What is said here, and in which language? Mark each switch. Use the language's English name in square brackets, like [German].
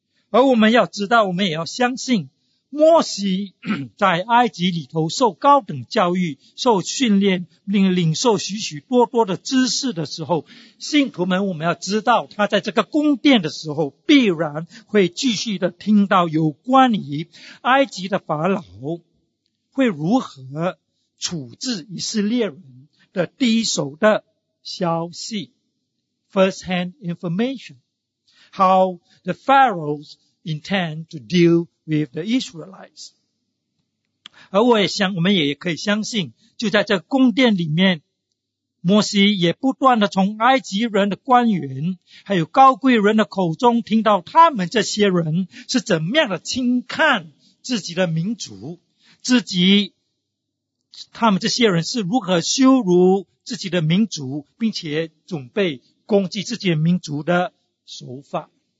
[Chinese] 而我们要知道，我们也要相信，摩西在埃及里头受高等教育、受训练，并领受许许多多的知识的时候，信徒们，我们要知道，他在这个宫殿的时候，必然会继续的听到有关于埃及的法老会如何处置以色列人的第一手的消息 ， [English] first hand information。 How the Pharaohs intend to deal with the Israelites. [Chinese] 而我们也可以相信，就在这宫殿里面，摩西也不断地从埃及人的官员还有高贵人的口中听到他们这些人是怎么样的轻看自己的民族，自己他们这些人是如何羞辱自己的民族，并且准备攻击自己的民族的手法。